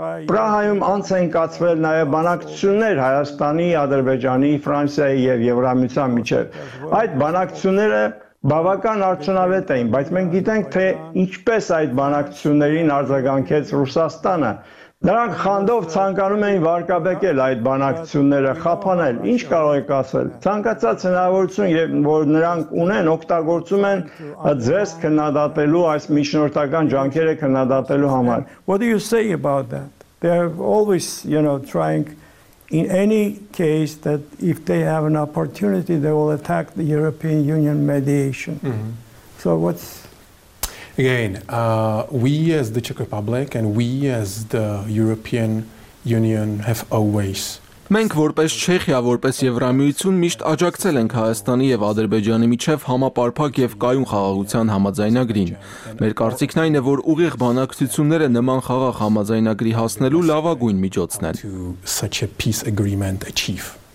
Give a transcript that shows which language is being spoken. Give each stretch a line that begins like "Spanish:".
Armenian: Պրահայում անց են կացվել նաեւ բանակցություններ Հայաստանի, Ադրբեջանի, Ֆրանսիայի եւ Եվրամիության միջեւ։ Այդ բանակցությունները բավական արդյունավետ էին, բայց մենք գիտենք, թե ինչպես այդ բանակցություններին արձագանքեց Ռուսաստանը։ Նրանք խանդով ցանկանում էին վարկաբեկել այդ բանակցությունները, խափանել։ Ինչ կարող եք ասել։ Ցանկացած հնարավորություն, որ նրանք ունեն, օգտագործում են ձեզ քննադատելու, այս միջնորդական ջանքերը քննադատելու համար։
English: What do you say about that? They are always, you know, trying in any case that if they have an opportunity they will attack the European Union mediation. So what's Again, we as the Czech Republic and we as the European Union have always
Armenian: Մենք որպես Չեխիա, որպես Եվրամիություն միշտ աջակցել ենք Հայաստանի եւ Ադրբեջանի միջև համապարփակ եւ կայուն խաղաղության համաձայնագրին։ Մեր կարծիքն այն է, որ ուղիղ բանակցությունները նման խաղաղ համաձայնագրի հասնելու լավագույն միջոցն են։
English: Such a peace agreement achieve.